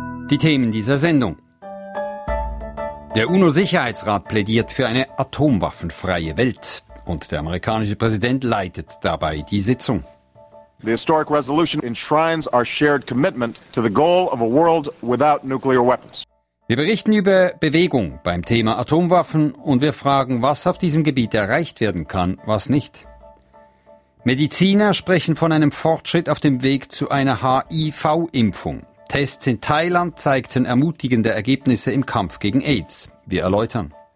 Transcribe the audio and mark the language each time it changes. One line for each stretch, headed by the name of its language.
German: Die Themen dieser Sendung. Der UNO-Sicherheitsrat plädiert für eine atomwaffenfreie Welt. Und der amerikanische Präsident leitet dabei die Sitzung.
English: The historic resolution enshrines our shared commitment to the goal of a world without nuclear weapons.
German: Wir berichten über Bewegung beim Thema Atomwaffen und wir fragen, was auf diesem Gebiet erreicht werden kann, was nicht. Mediziner sprechen von einem Fortschritt auf dem Weg zu einer HIV-Impfung. Tests in Thailand zeigten ermutigende Ergebnisse im Kampf gegen AIDS. Wir erläutern.